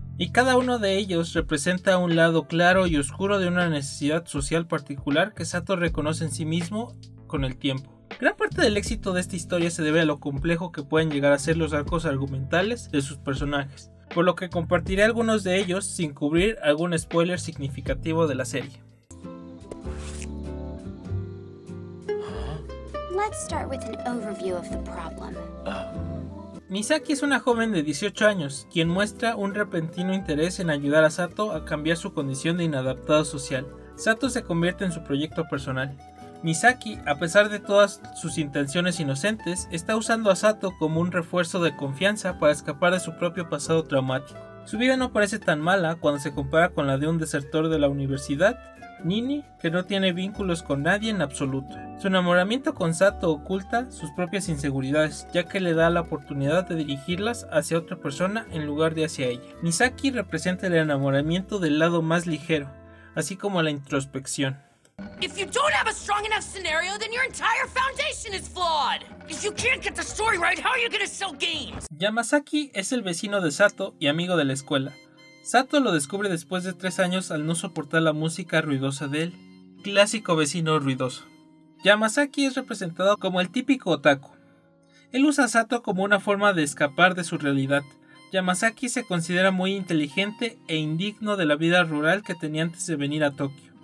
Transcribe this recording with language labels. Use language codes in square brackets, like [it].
[es] Y cada uno de ellos representa un lado claro y oscuro de una necesidad social particular que Sato reconoce en sí mismo con el tiempo. Gran parte del éxito de esta historia se debe a lo complejo que pueden llegar a ser los arcos argumentales de sus personajes, por lo que compartiré algunos de ellos sin cubrir algún spoiler significativo de la serie. [en] Let's start with an overview of the problem. [es] Misaki es una joven de 18 años, quien muestra un repentino interés en ayudar a Sato a cambiar su condición de inadaptado social. Sato se convierte en su proyecto personal. Misaki, a pesar de todas sus intenciones inocentes, está usando a Sato como un refuerzo de confianza para escapar de su propio pasado traumático. Su vida no parece tan mala cuando se compara con la de un desertor de la universidad, Nini, que no tiene vínculos con nadie en absoluto. Su enamoramiento con Sato oculta sus propias inseguridades, ya que le da la oportunidad de dirigirlas hacia otra persona en lugar de hacia ella. Misaki representa el enamoramiento del lado más ligero, así como la introspección. [en] If you don't have a strong enough scenario, then your entire foundation is flawed. If you can't get the story right, how are you gonna sell games? [es] Yamazaki es el vecino de Sato y amigo de la escuela. Sato lo descubre después de 3 años al no soportar la música ruidosa de él. Clásico vecino ruidoso. Yamazaki es representado como el típico otaku. Él usa a Sato como una forma de escapar de su realidad. Yamazaki se considera muy inteligente e indigno de la vida rural que tenía antes de venir a Tokio.